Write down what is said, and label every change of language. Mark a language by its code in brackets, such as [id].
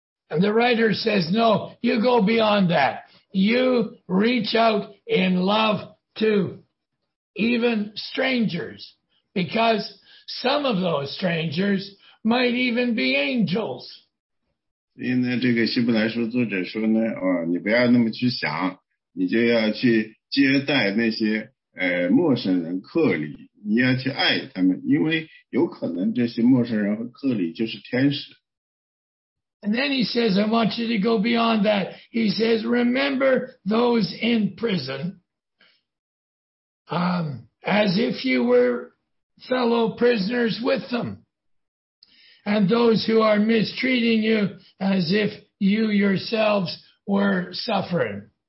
[en] And the writer says, no, you go beyond that. You reach out in love to even strangers. Because some of those strangers might even be angels. [zh] 所以呢，这个希伯来书作者说呢，哦，你不要那么去想，你就要去接待那些陌生人客礼，你要去爱他们，因为有可能这些陌生人和客礼就是天使。 [en] And then he says, I want you to go beyond that. He says, remember those in prison, as if you were fellow prisoners with them, and those who are mistreating you as if you yourselves were suffering.